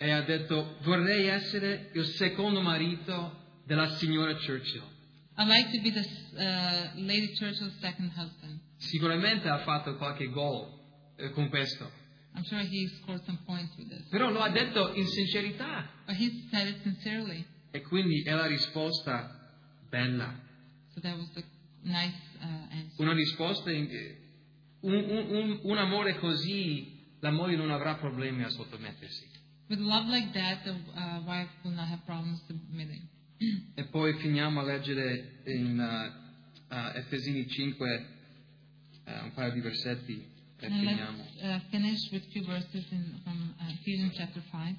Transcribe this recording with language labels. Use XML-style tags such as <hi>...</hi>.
<it>E ha detto, vorrei essere il secondo marito della signora Churchill.</it> <en>I'd like to be the Lady Churchill's second husband.</en> <it>Sicuramente ha fatto qualche gol con questo.</it> <en>I'm sure he scored some points with this.</en> <it>Però lo ha detto in sincerità.</it> <en>But he said it sincerely.</en> <it>E quindi è la risposta bella.</it> <en>So that was the nice answer.</en> <it>Una risposta un amore così la moglie non avrà problemi a sottomettersi.</it> <en>With love like that, the wife will not have problems submitting.</en> <it>E poi finiamo a leggere in Efesini 5 un paio di versetti e</it> <en>and</en> <it>finiamo.</it> <en>Let's finish with few verses from Ephesians chapter 5.</en>